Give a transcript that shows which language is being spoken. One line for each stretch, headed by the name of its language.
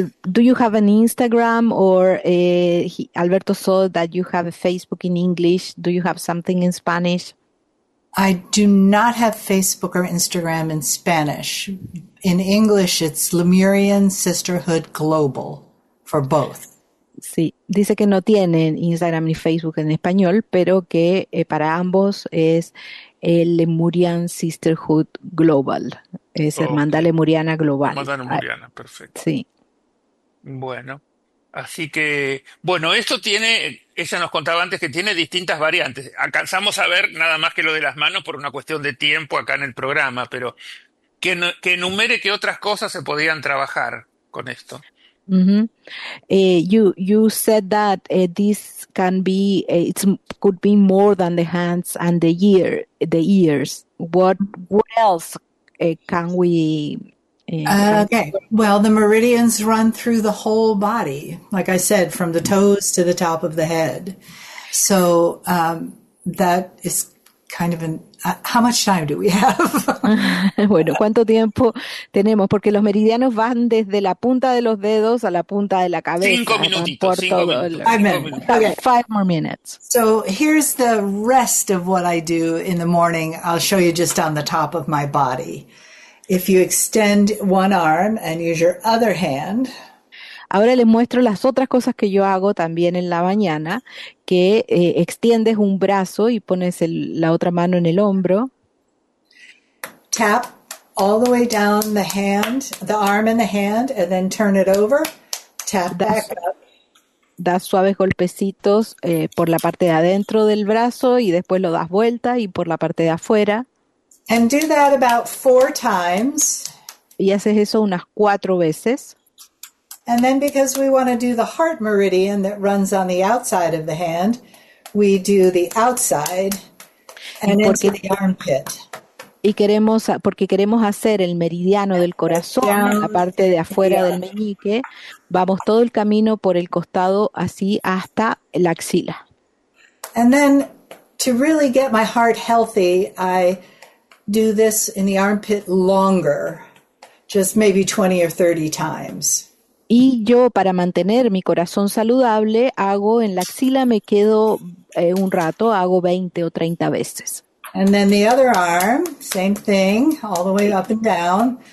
English: Do you have an Instagram or Alberto saw that you have a Facebook in English. Do you have something in Spanish? I do not have Facebook or Instagram in Spanish. In English, it's Lemurian Sisterhood Global for both.
Spanish: Sí, dice que no tienen Instagram ni Facebook en español, pero que para ambos es el Lemurian Sisterhood Global. Es Hermandad Lemuriana Global. Hermandad Lemuriana, perfecto. Sí. Bueno, así que, bueno, esto tiene, ella nos contaba antes que tiene distintas variantes. Alcanzamos a ver nada más que lo de las manos por una cuestión de tiempo acá en el programa, pero que enumere qué otras cosas se podían trabajar con esto. Mm-hmm.
English: You said that this can be, it could be more than the hands and the ears. What else can we... Okay. Well, the meridians run through the whole body, like I said, from the toes to the top of the head. So that is kind of an... how much time do we have?
Spanish: Bueno, ¿cuánto tiempo tenemos? Porque los meridianos van desde la punta de los dedos a la punta de la cabeza. 5 minutitos.
English: Okay. 5 more minutes. So here's the rest of what I do in the morning. I'll show you just on the top of my body. If you extend one arm and use your other hand.
Spanish: Ahora les muestro las otras cosas que yo hago también en la mañana, que extiendes un brazo y pones la otra mano en el hombro.
English: Tap all the way down the hand, the arm and the hand, and then turn it over. Tap back up.
Spanish: Das suaves golpecitos por la parte de adentro del brazo y después lo das vuelta y por la parte de afuera.
English: And do that about 4 times.
Spanish: Y haces eso unas 4 veces.
English: And then because we want to do the heart meridian that runs on the outside of the hand, we do the outside and into the armpit.
Spanish: Y queremos, porque queremos hacer el meridiano del corazón, la parte de afuera del meñique, vamos todo el camino por el costado así hasta la axila.
English: And then to really get my heart healthy, I do this in the armpit longer, just maybe 20 or 30 times. Y yo, para mantener mi corazón saludable, hago en la axila, me quedo un rato, hago 20 o 30 veces. And then the other arm, same thing, all the way up and down.